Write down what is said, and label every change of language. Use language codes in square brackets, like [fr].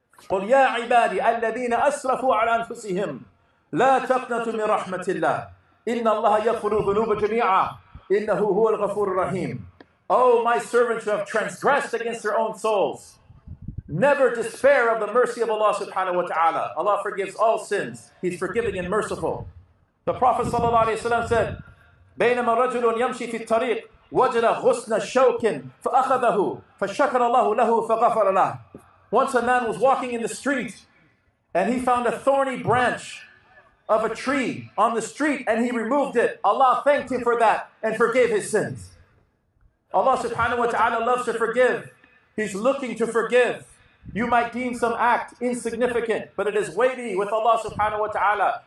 [ar] قُلْ يَا عِبَادِي أَلَّذِينَ أَسْرَفُوا عَلَىٰ أَنفُسِهِمْ لَا تَقْنَتُ مِنْ رَحْمَةِ اللَّهِ إِنَّ اللَّهَ يَغْفِرُ ذُنُوبَ جَمِيعًا إِنَّهُ هُوَ الْغَفُورُ الرَّحِيمُ. [en] Oh, my servants who have transgressed against their own souls, never despair of the mercy of Allah subhanahu wa ta'ala. Allah forgives all sins. He's forgiving and merciful. The Prophet sallallahu alayhi wa sallam said, [ar] بَيْنَمَا رَجُلٌ يَمْشِي فِي الطَّرِيقِ وَجَدَ غُسْنَ شَوْكٍ فَأَخَذَهُ فَشَكَرَ اللَّهُ لَهُ فَغَفَرَ لَهُ. [en] Once a man was walking in the street and he found a thorny branch of a tree on the street and he removed it. Allah thanked him for that and forgave his sins. Allah subhanahu wa ta'ala loves to forgive. He's looking to forgive. You might deem some act insignificant, but it is weighty with Allah subhanahu wa ta'ala.